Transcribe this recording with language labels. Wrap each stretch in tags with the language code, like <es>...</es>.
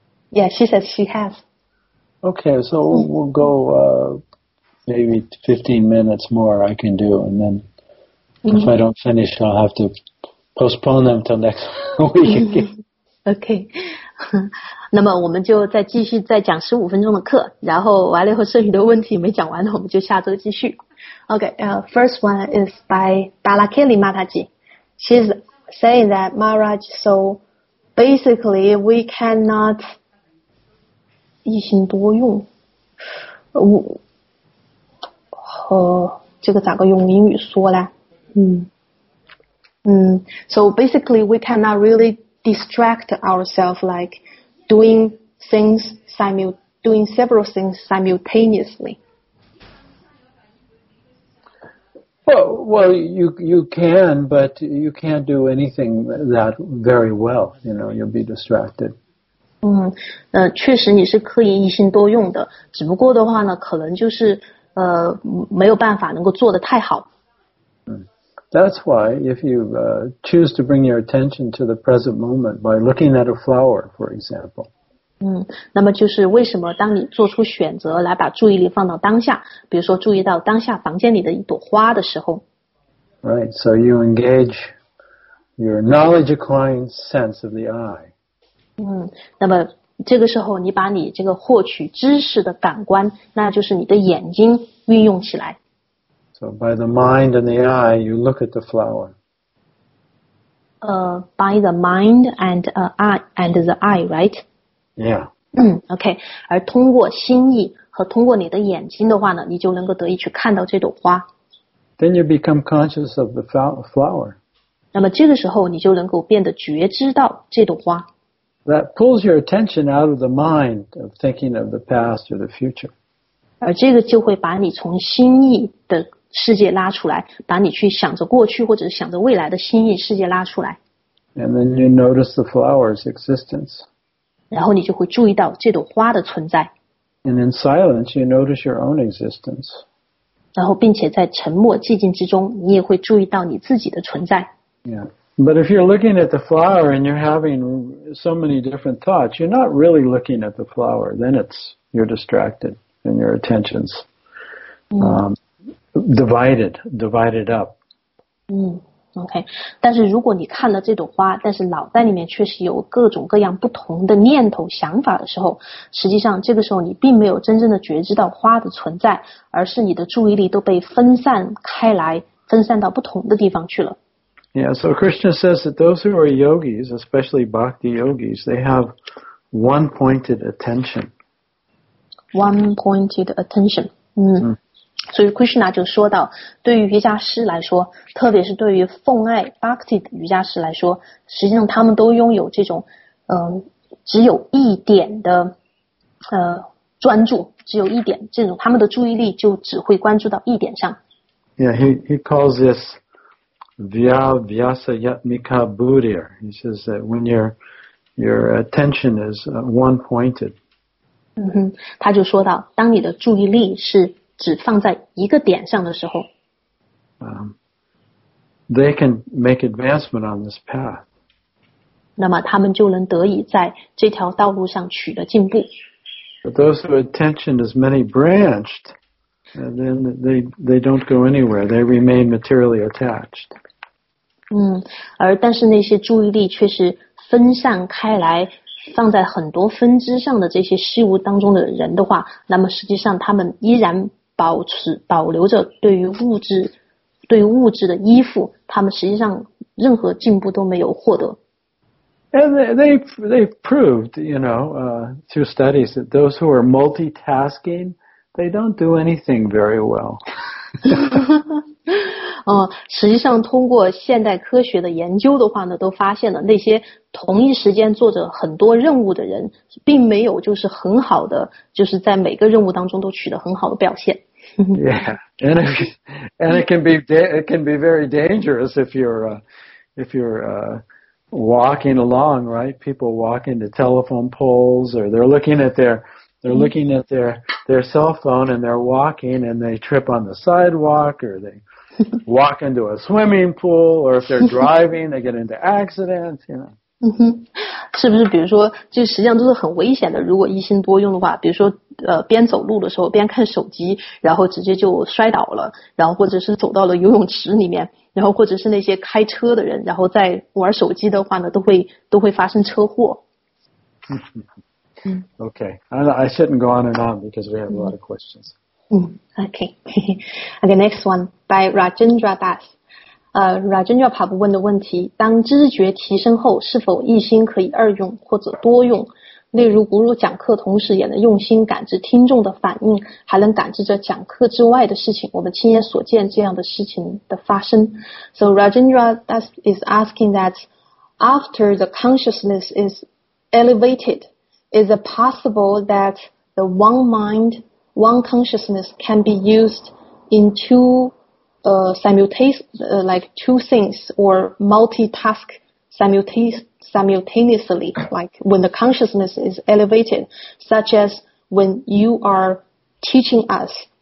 <en>Yeah, she says she has. Okay, so we'll go maybe 15 minutes more I can do, and then if I don't finish, I'll have to postpone them till next week again. Okay.</en> <zh>那么我们就再继续再讲15分钟的课，然后完了以后剩余的问题没讲完的，我们就下周继续。</zh> <en>Okay, first one is by Balakeli Mataji. She's saying that Maharaj, so basically we cannot</en> <zh>一心多用，这个咋个用英语说呢？</zh> <en>So basically we cannot really distract ourselves like doing several things simultaneously. Well, you can, but you can't do anything that very well, you know, you'll be distracted.</en> <zh>确实你是可以一心多用的，只不过的话呢，可能就是没有办法能够做得太好。</zh> <en>That's why if you choose to bring your attention to the present moment by looking at a flower, for example.</en> <zh>那么就是为什么当你做出选择来把注意力放到当下，比如说注意到当下房间里的一朵花的时候。</zh> <en>Right, so you engage your knowledge acquiring sense of the eye.</en> <zh>那么这个时候你把你这个获取知识的感官，那就是你的眼睛运用起来。</zh> <en>So by the mind and the eye, you look at the flower. By the mind and the eye, right? Yeah. Okay.</en> <zh>而通过心意和通过你的眼睛的话呢，你就能够得以去看到这朵花。</zh> <en>Then you become conscious of the flower.</en> <zh>那么这个时候你就能够变得觉知到这朵花。</zh> <en>That pulls your attention out of the mind of thinking of the past or the future.</en> <zh>而这个就会把你从心意的世界拉出来，把你去想着过去或者想着未来的心意世界拉出来。</zh> <en>And then you notice the flower's existence.</en> <zh>然后你就会注意到这朵花的存在。</zh> <en>And in silence, you notice your own existence.</en> <zh>然后并且在沉默寂静之中，你也会注意到你自己的存在。</zh> <en>Yeah. But if you're looking at the flower and you're having so many different thoughts, you're not really looking at the flower. Then you're distracted and your attention's divided up. Okay.</en> <zh>但是如果你看了这朵花，但是脑袋里面确实有各种各样不同的念头想法的时候，实际上这个时候你并没有真正的觉知到花的存在，而是你的注意力都被分散开来，分散到不同的地方去了。</zh> <en>Yeah, so Krishna says that those who are yogis, especially bhakti yogis, they have one-pointed attention. One-pointed attention.</en> <zh>所以 Krishna 就说到，对于瑜伽师来说，特别是对于奉爱 Bhakti 的瑜伽师来说，实际上他们都拥有这种，只有一点的，专注，只有一点，这种他们的注意力就只会关注到一点上。</zh> <en>Yeah, he calls this</en> <sa>vyavyasa yatmika buddhir.</sa> <en>He says that when your attention is one pointed.</en> <zh>他就说到，当你的注意力是只放在一个点上的时候，</zh> <en>they can make advancement on this path.</en> <zh>那么他们就能得以在这条道路上取得进步。</zh> <en>But those whose attention is many branched, and then they don't go anywhere. They remain materially attached.</en> <zh>而但是那些注意力却是分散开来，放在很多分支上的这些事物当中的人的话，那么实际上他们依然保留着对于物质的依附，他们实际上任何进步都没有获得。</zh> <en>And they proved, you know, through studies that those who are multitasking, they don't do anything very well.</en> <zh>实际上通过现代科学的研究的话呢，都发现了那些同一时间做着很多任务的人，并没有就是很好的，就是在每个任务当中都取得很好的表现。</zh> <en>Yeah, and it can be very dangerous if you're walking along, right? People walk into telephone poles, or they're looking at their They're looking at their cell phone and they're walking and they trip on the sidewalk or they walk into a swimming pool or if they're driving, they get into accidents, you know.</en> <zh>是不是比如说这实际上都是很危险的如果一心多用的话比如说边走路的时候边看手机然后直接就摔倒了然后或者是走到了游泳池里面然后或者是那些开车的人然后在玩手机的话呢都会发生车祸。</zh> <en>Okay, I shouldn't go on and on because we have a lot of questions. Okay. Okay, next one by Rajendra Das.</en> <zh>Rajendra Pabu 问的问题当知觉提升后是否一心可以二用或者多用例如不如讲课同时也能用心感知听众的反应还能感知着讲课之外的事情我们亲眼所见这样的事情的发生。</zh> <en>So Rajendra Das is asking that after the consciousness is elevated,Is it possible that the one mind, one consciousness can be used in two two things or multitask simultaneously, like when the consciousness is elevated, such as when you are teaching us.</en>